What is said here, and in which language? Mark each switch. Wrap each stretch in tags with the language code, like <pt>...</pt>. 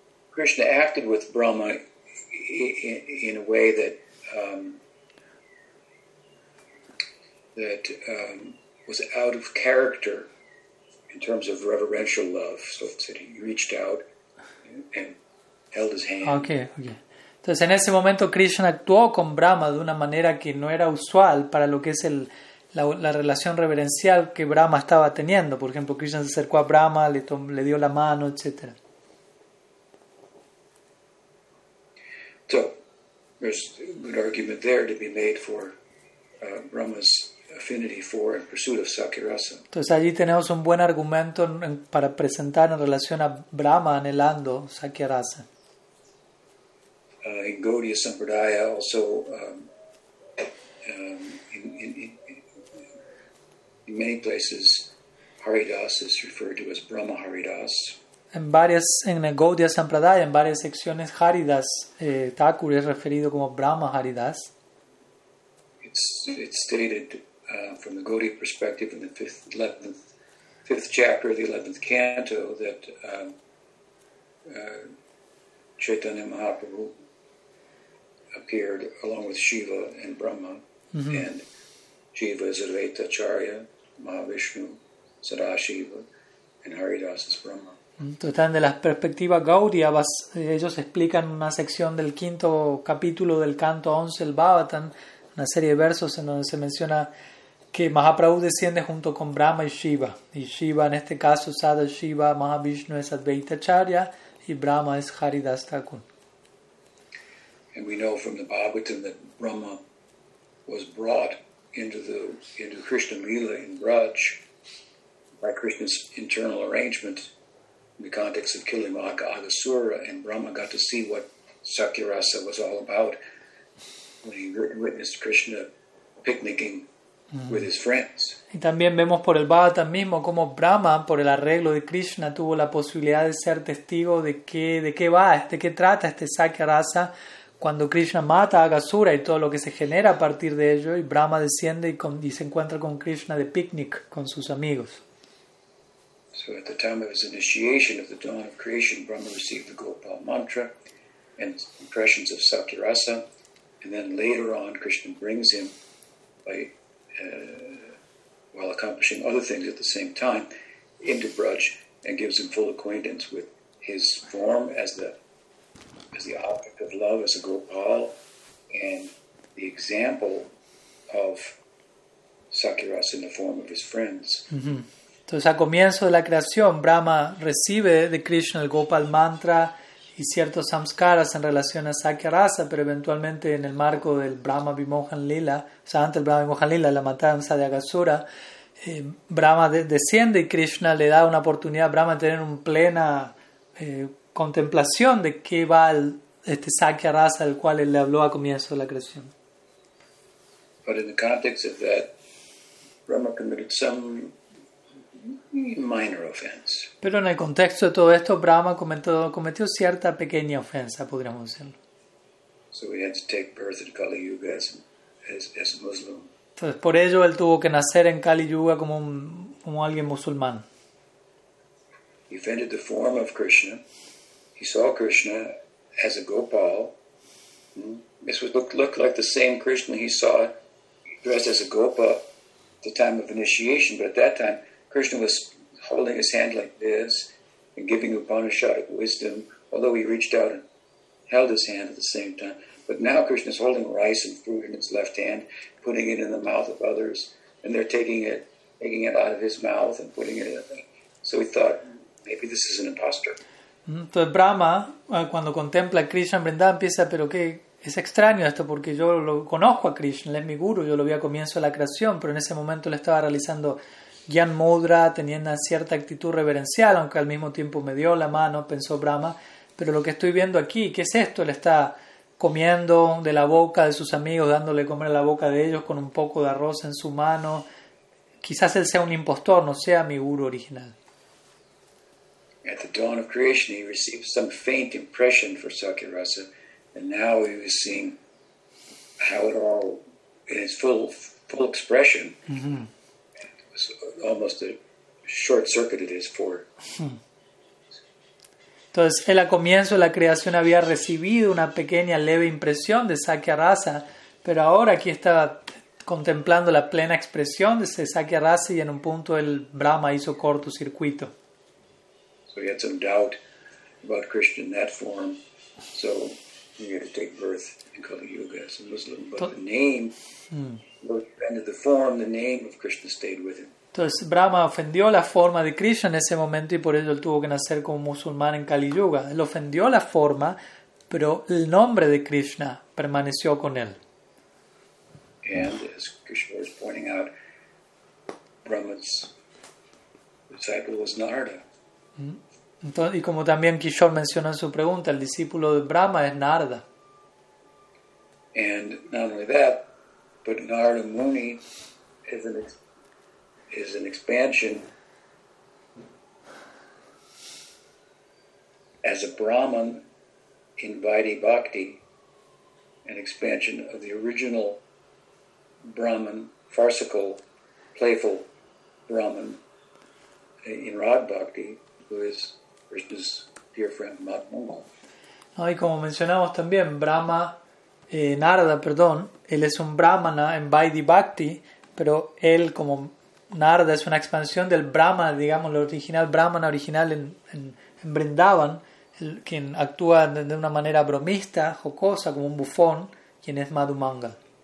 <en>Krishna acted with Brahma in a way that was out of character. In terms of reverential love, so that he reached out and held his hand. Okay.</en> <es>Entonces, en ese momento, Krishna actuó con Brahma de una manera que no era usual para lo que es la relación reverencial que Brahma estaba teniendo. Por ejemplo, Krishna se acercó a Brahma, le dio la mano, etc.</es> <en>So, there's a good argument there to be made for Brahma's affinity for and pursuit of Sakya-rasa.</en> <es>Entonces allí tenemos un buen argumento para presentar en relación a Brahma anhelando Sakya-rasa.</es> <en>In Gaudiya Sampradaya also in many places Haridas is referred to as Brahma Haridas.</en> <es>En Gaudiya Sampradaya, en varias secciones Haridas, Thakur es referido como Brahma Haridas.</es> <en>It's stated from the Gaudiya perspective in the fifth chapter of the 11th canto that Chaitanya Mahaprabhu appeared along with Shiva and Brahma. Mm-hmm. And Shiva is Advaita Acharya, Mahavishnu, Sadashiva, and Haridas is Brahma.</en> <es>Entonces, de la perspectiva Gaudiya, ellos explican una sección del quinto capítulo del canto 11, el Bhavatan, una serie de versos en donde se menciona que Mahaprabhu desciende junto con Brahma y Shiva. Y Shiva, en este caso, Sada Shiva, Mahavishnu es Advaita Acharya y Brahma es Haridas Thakur.</es> <en>And we know from the Bhagavatam that Brahma was brought into Krishna Lila in Braj by Krishna's internal arrangement in the context of Kilimaka Agasura, and Brahma got to see what Sakyarasa was all about when he witnessed Krishna picnicking with his friends.</en> <es>Y también vemos por el Bhagavatam mismo como Brahma, por el arreglo de Krishna, tuvo la posibilidad de ser testigo de qué trata este Sakyarasa cuando Krishna mata a Agasura y todo lo que se genera a partir de ello, y Brahma desciende y se encuentra con Krishna de picnic con sus amigos.</es> <en>So at the time of his initiation of the dawn of creation, Brahma received the Gopal mantra and impressions of Sakyarasa, and then later on Krishna brings him while accomplishing other things at the same time into Braj and gives him full acquaintance with his form as the object of love, as a Gopal, and the example of Sakyarasa in the form of his friends. Mm-hmm.</en> <es>Entonces, a comienzo de la creación, Brahma recibe de Krishna el Gopal mantra y ciertos samskaras en relación a Sakyarasa, pero eventualmente en el marco del Brahma Vimohan Lila, o sea, antes del Brahma Vimohan Lila, la matanza de Agasura, Brahma desciende y Krishna le da una oportunidad a Brahma de tener un plena contemplación de qué va este Sakyarasa del cual él le habló a comienzo de la creación.</es> <en>But in the context of that, Brahma committed some minor offense.</en> <es>Pero en el contexto de todo esto, Brahma cometió cierta pequeña ofensa, podríamos decirlo.</es> <en>So he had to take birth in Kali Yuga as a Muslim.</en> <es>Entonces, por ello, él tuvo que nacer en Kali Yuga como alguien musulmán.</es> <en>He offended the form of Krishna. He saw Krishna as a Gopal. This would look like the same Krishna he saw dressed as a Gopa at the time of initiation, but at that time, Krishna was holding his hand like this and giving Upanishad wisdom, although he reached out and held his hand at the same time. But now Krishna is holding rice and fruit in his left hand, putting it in the mouth of others, and they're taking it out of his mouth and putting it in the thing. So he thought, maybe this is an imposter.</en> <es>Entonces Brahma, cuando contempla a Krishna en Vrindavan, piensa, pero qué es extraño esto, porque yo lo conozco a Krishna, él es mi guru, yo lo vi a comienzo de la creación, pero en ese momento él estaba realizando Gyan Mudra, teniendo cierta actitud reverencial, aunque al mismo tiempo me dio la mano, pensó Brahma, pero lo que estoy viendo aquí, ¿qué es esto? Él está comiendo de la boca de sus amigos, dándole comer a la boca de ellos con un poco de arroz en su mano, quizás él sea un impostor, no sea mi guru original.</es> <en>At the dawn of creation, he received some faint impression for Sakyarasa, and now he was seeing how it all, in its full expression, mm-hmm. It was almost a short circuit it is for.</en> <es>Entonces, él a comienzo de la creación había recibido una pequeña leve impresión de Sakyarasa, pero ahora aquí estaba contemplando la plena expresión de ese Sakyarasa, y en un punto el Brahma hizo cortocircuito.</es> <en>So he had some doubt about Krishna in that form. So he had to take birth in Kali Yuga as a Muslim. But the name, offended the form, the name of Krishna stayed with him.</en> <es>Entonces Brahma ofendió la forma de Krishna en ese momento y por ello él tuvo que nacer como musulmán en Kali Yuga. Él ofendió la forma, pero el nombre de Krishna permaneció con él.</es> <en>And as Krishna was pointing out, Brahma's disciple was Narada.</en> <es>Entonces, y como también Kishore mencionó en su pregunta, el discípulo de Brahma es Narada.</es> <en>And not only that, but Narada Muni is an expansion as a Brahman in Vaidhi Bhakti, an expansion of the original Brahman, farcical, playful Brahman in Rag Bhakti.</en> <es>No, y como mencionamos también, Brahma, Narada, perdón, él es un Brahmana en Vaidhi Bhakti, pero él como Narada es una expansión del Brahmana, digamos, el original Brahmana original en Vrindavan, quien actúa de una manera bromista, jocosa, como un bufón, quien es Madhumangal.</es>